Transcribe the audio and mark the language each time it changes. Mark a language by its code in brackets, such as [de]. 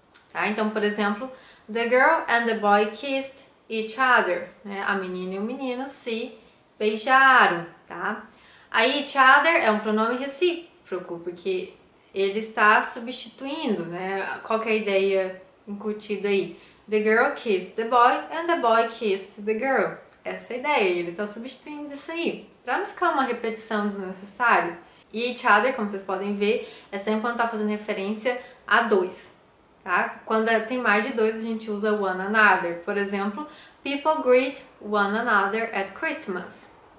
[pt] Tá? Então, por exemplo, [en] the girl and the boy kissed each other. [pt] Né? A menina e o menino se beijaram. Tá? Aí, each other é um pronome recíproco, porque ele está substituindo. Né? Qual que é a ideia incutida aí? [en] The girl kissed the boy and the boy kissed the girl. [pt] Essa é a ideia, ele está substituindo isso aí. Para não ficar uma repetição desnecessária. E each other, como vocês podem ver, é sempre quando está fazendo referência a dois. Tá? Quando tem mais de dois, a gente usa one another. Por exemplo, [en] people greet one another at Christmas.